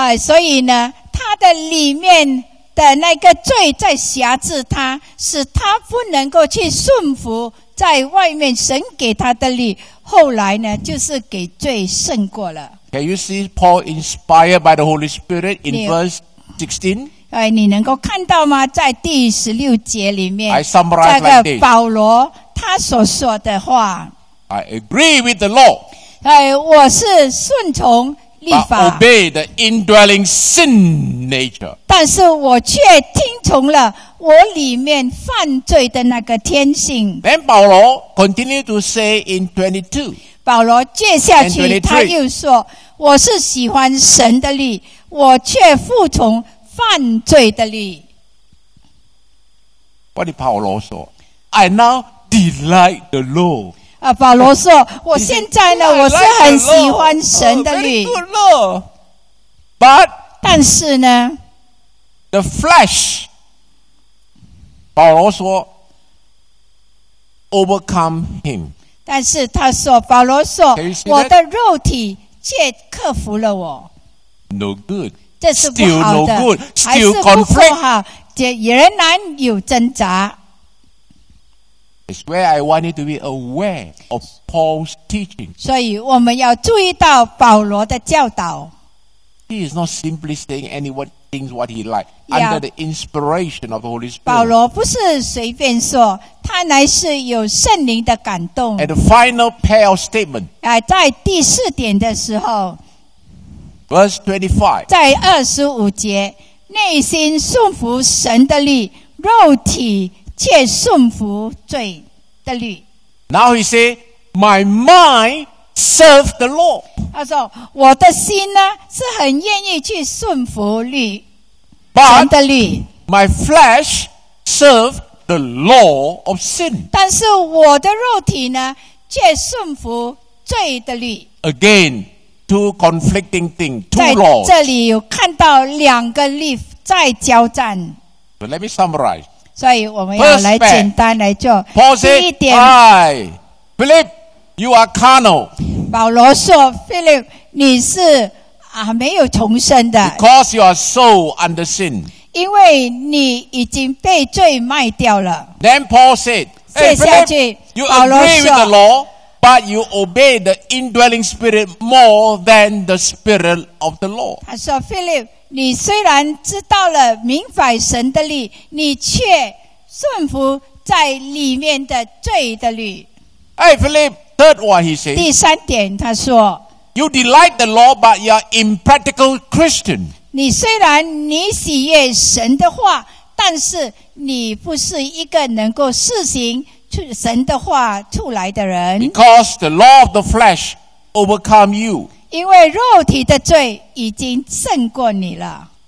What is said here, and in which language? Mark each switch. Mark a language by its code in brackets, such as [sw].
[zh] 所以呢，他的里面。的那个罪在辖制他，使他不能够去顺服在外面神给他的律。后来呢，就是给罪胜过了。 [en] Can you see Paul inspired by the Holy Spirit in verse 16? [zh] 你能够看到吗？在第十六节里面， [en] I summarize [zh] 这个保罗他所说的话。 [en] I agree with the law. [zh] 我是顺从。 [en] But obey the indwelling sin nature. [zh] 但是我却听从了我里面犯罪的那个天性。 [en] Then Paul continued to say in 22. [zh] 保罗接下去他又说，我是喜欢神的律，我却服从犯罪的律。 [en] What did Paul say? I now delight the law. [zh] 保罗说，我现在呢，我是很喜欢神的律。 [en] But, [zh] 但是呢 [en] the flesh, [zh] 保罗说 [en] overcome him. [zh] 但是他说，保罗说，我的肉体却克服了我。 [en] No good. [zh] 这是不好的。 [en] Still no good. Still conflict. [zh] 还是不好，仍然有挣扎。 [en] It's where I want you to be aware of Paul's teaching. [zh] 所以我们要注意到保罗的教导。 [en] He is not simply saying anyone thinks what he likes under the inspiration of the Holy Spirit. [zh] 保罗不是随便说，他乃是有圣灵的感动。 [en] And the final pair of statement. [zh] 在第四点的时候。 [en] Verse 25. [zh] 在二十五节，内心顺服神的律，肉体。却顺服罪的律。 [en] Now he say, my mind serve the law. [zh] 他说，我的心呢是很愿意去顺服律， [en] but、 [zh] 神的律。 [en] My flesh serve the law of sin. [zh] 但是我的肉体呢却顺服罪的律。 [en] Again, two conflicting things, two laws. [zh] 在这里有看到两个律在交战。 [en] But let me summarize. [zh] 所以我们要来简单来做 [en] Perspect, [zh] 第一点 [en] Hi, Philip, you are carnal. [zh] 保罗说 Philip, 你是、没有重生的 [en] Because you are sold under sin. [zh] 因为你已经被罪卖掉了 [en] Then Paul said, hey, Philip, you agree with the law, but you obey the indwelling spirit more than the spirit of the law. [zh] 他说 Philip, 你虽然知道了明白神的律，你却顺服在里面的罪的律。 [en] Hey, Philip, third one, he says. [zh] 第三点，他说 [en] ，You delight the law, but you are impractical Christian. [zh] 你虽然你喜悦神的话，但是你不是一个能够施行神的话出来的人。 [en] Because the law of the flesh overcome you. [zh] 因为肉体的罪已经胜过你了。